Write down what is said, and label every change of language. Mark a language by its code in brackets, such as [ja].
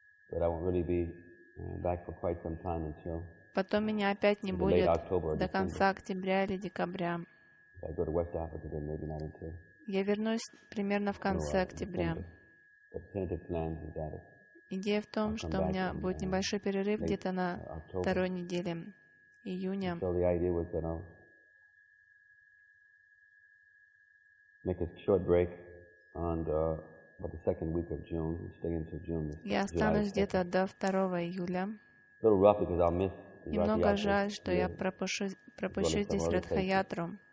[en] But I won't really be back for quite some time until [ru] потом меня опять не будет до конца октября или декабря. [en] If I go to West Africa, then maybe not until [ru] я вернусь примерно в конце октября. [en] But tentative plans is that it. [ru] Идея в том, что у меня будет небольшой перерыв где-то на второй неделе июня. [en] So the idea was that I'll make a short break on about the second week of June, and stay until June. [ru] Я останусь где-то до 2 июля. [en] A little rough because I'll miss. [ru] Немного жаль, что я пропущу здесь Радха-ятру.